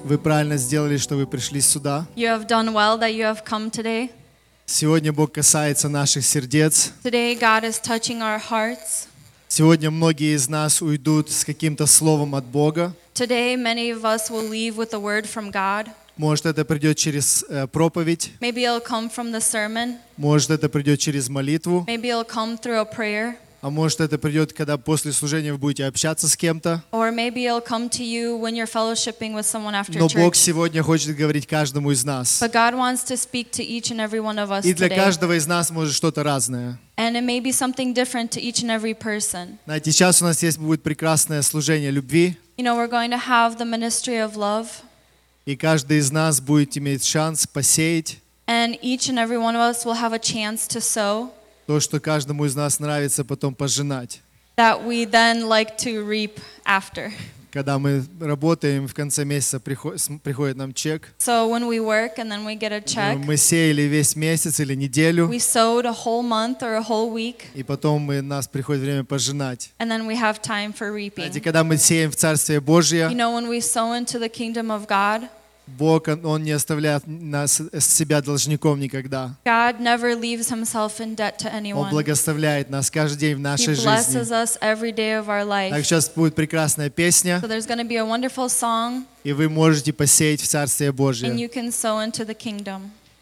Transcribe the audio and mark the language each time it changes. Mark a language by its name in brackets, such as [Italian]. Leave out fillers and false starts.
[Russian] Вы правильно сделали, что вы пришли сюда. [English] You have done well that you have come today. [Russian] Сегодня Бог касается наших сердец. [English] Today God is touching our hearts. [Russian] Сегодня многие из нас уйдут с каким-то словом от Бога. [English] Today many of us will leave with a word from God. [Russian] Может, это придет через проповедь. [English] Maybe it'll come from the sermon. [Russian] Может, это придет через молитву. [English] Maybe it'll come through a prayer. [Russian] А может, это придет, когда после служения вы будете общаться с кем-то. [English] Or maybe it'll come to you when you're fellowshipping with someone after [Russian] Но [English] church. [Russian] Бог сегодня хочет говорить каждому из нас. [English] But God wants to speak to each and every one of us [Russian] И для [English] today. [Russian] Каждого из нас может что-то разное. [English] And it may be something different to each and every person. [Russian] Знаете, сейчас у нас есть будет прекрасное служение любви. [English] You know, we're going to have the ministry of love. [Russian] И каждый из нас будет иметь шанс посеять. [English] And each and every one of us will have a chance to sow. [Russian] То, что каждому из нас нравится потом пожинать. [English] That we then like to reap after. [Russian] Когда мы работаем, в конце месяца приходит нам чек. [English] So when we work and then we get a check. [Russian] Мы сеяли весь месяц или неделю. [English] We sowed a whole month or a whole week. [Russian] И потом у нас приходит время пожинать. [English] And then we have time for reaping. [Russian] Знаете, когда мы сеем в Царствие Божие. [English] You know, when we sow into the kingdom of God. [Russian] Бог, Он не оставляет нас с себя должником никогда. [English] God never leaves himself in debt to anyone. [Russian] Он благословляет нас каждый день в нашей жизни. [English] He blesses us every day of our life. [Russian] Так сейчас будет прекрасная песня. [English] So there's going to be a wonderful song. [Russian] И вы можете посеять в Царствие Божие. [English] And you can sow into the kingdom.